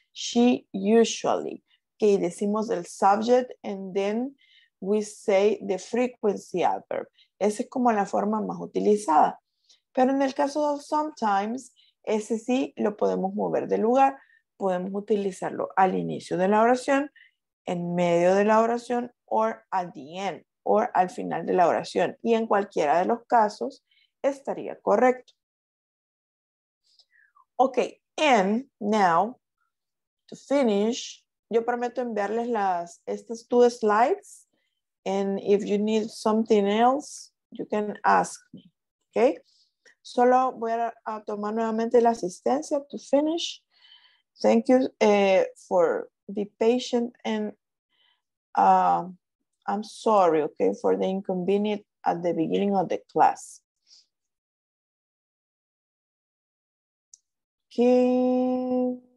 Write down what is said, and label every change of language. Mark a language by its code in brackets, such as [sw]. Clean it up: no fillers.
[en] She usually, okay, [es] decimos el [en] subject and then we say the frequency adverb. [es] Esa es como la forma más utilizada. Pero en el caso de sometimes, ese sí lo podemos mover de lugar. Podemos utilizarlo al inicio de la oración, en medio de la oración, [en] or at the end, [es] or al final de la oración. Y en cualquiera de los casos, estaría correcto. [en] Okay, and now... To finish, [es] yo prometo enviarles estas [en] two slides, and if you need something else, you can ask me, Okay. [es] Solo voy a tomar nuevamente la asistencia [en] to finish. Thank you for the patient and I'm sorry, okay, for the inconvenience at the beginning of the class. Okay.